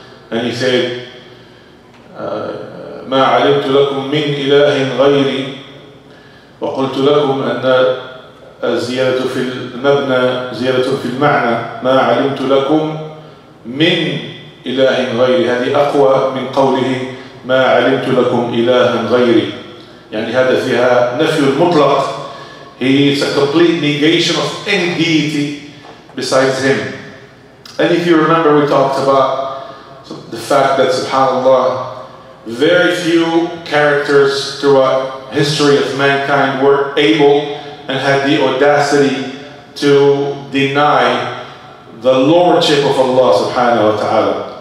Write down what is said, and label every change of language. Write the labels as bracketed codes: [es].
[en] And he said, [ar] "Ma 'alimtu lakum min ilahin ghayri wa qultu lakum anna az-ziyadatu fil mabna ziyadatu fil ma'na ma 'alimtu lakum min ilahin ghayri hadhihi aqwa min qawlihi ما علمت لكم إلها غيري." يعني هذا فيها نفي المطلق. [en] He is a complete negation of any deity besides him. And if you remember, we talked about the fact that subhanAllah, very few characters throughout history of mankind were able and had the audacity to deny the lordship of Allah subhanahu wa ta'ala.